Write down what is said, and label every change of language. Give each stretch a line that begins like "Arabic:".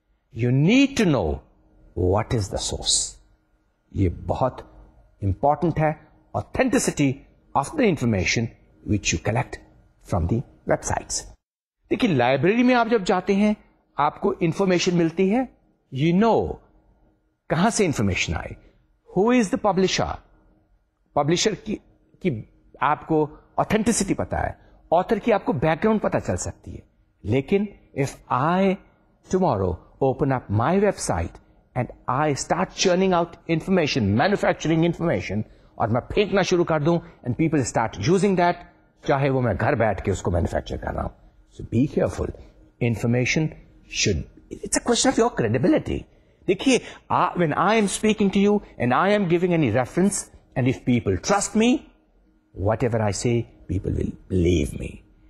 English: You need to know what is the source.
Urdu: یہ بہت important ہے.
English: Authenticity of the information which you collect from the websites.
Urdu: دیکھیں library میں آپ جب جاتے ہیں آپ کو انفارمیشن ملتی ہے, یو نو کہاں سے انفارمیشن آئے,
English: who is the publisher,
Urdu: پبلشر کی آپ کو اوتھینٹسٹی پتا ہے, آتھر کی آپ کو بیک گراؤنڈ پتا چل سکتی ہے.
English: لیکن if I tomorrow open up my website and I start churning out information, manufacturing information,
Urdu: اور میں پھینکنا شروع کر دوں,
English: and people start using that,
Urdu: چاہے وہ میں گھر بیٹھ کے اس کو مینوفیکچر کر رہا ہوں.
English: So be careful. Information should... It's a question of your credibility. Dekhiye, when I am speaking to you and I am giving any reference, and if people trust me, whatever I say, people will believe me.